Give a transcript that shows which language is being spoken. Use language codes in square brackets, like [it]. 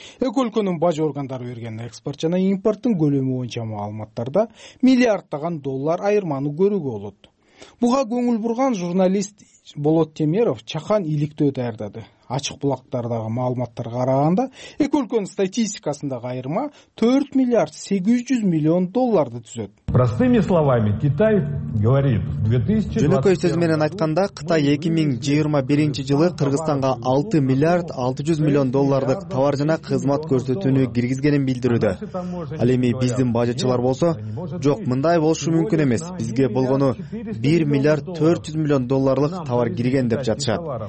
[ky] Эки өлкөнүн бажы органдары берген экспорт жана импорттун көлөмү боюнча маалыматтарда миллиарддаган доллар айырманы көрүүгө болот. Буга көңүл бурган журналист Болот Темиров чакан иликтөө даярдады. Ачык булактардагы маалыматтарга караганда, эки өлкөнүн статистикасындагы айырма 4 800 000 000 долларды түзөт. [ru] Простыми словами, Китай говорит, 2020. [ky] Жөнөкөй сөз менен айтканда, Кытай 2021 жылы Кыргызстанга 6 600 000 000 доллардык товар жана кызмат көрсөтүүнү киргизгенин билдирүүдө. Ал эми биздин бажачылар болсо, жок, мындай болушу мүмкүн эмес. Бизге болгону 1 400 000 000 долларлык товар кирген деп жатышат.